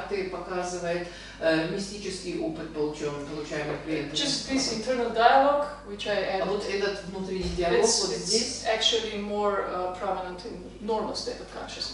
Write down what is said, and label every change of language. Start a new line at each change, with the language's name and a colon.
Russian: показывает мистический опыт, получаемый клиентом.
English: Just this internal dialogue, which I added.
Russian: А вот этот внутренний диалог вот здесь.
English: It's actually more prominent in normal state of consciousness.